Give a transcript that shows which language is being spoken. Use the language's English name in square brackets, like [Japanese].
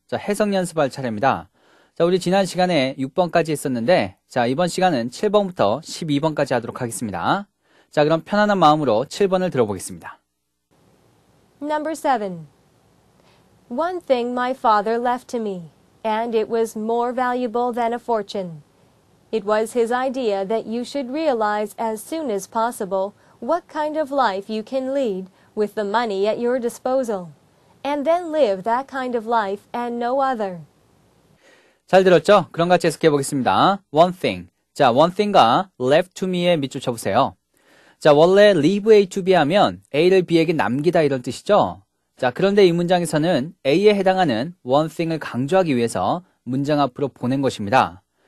[Korean] 자, 해석 연습할 차례입니다. 자, 우리 지난 시간에 6번까지 했었는데, 자, 이번 시간은 7번부터 12번까지 하도록 하겠습니다. 자, 그럼 편안한 마음으로 7번을 들어보겠습니다. [English] Number 7. One thing my father left to me, and it was more valuable than a fortune. It was his idea that you should realize as soon as possible what kind of life you can lead with the money at your disposal, and then live that kind of life and no other. [Korean] 잘 들었죠? 그럼 같이 해석해 보겠습니다. [English] One thing. [Korean] 자, one thing과 left to me에 밑줄 쳐보세요. 자, 원래 [English] leave A to B [Korean] 하면 A를 B에게 남기다 이런 뜻이죠? 자, 그런데 이 문장에서는 A에 해당하는 one thing을 강조하기 위해서 문장 앞으로 보낸 것입니다.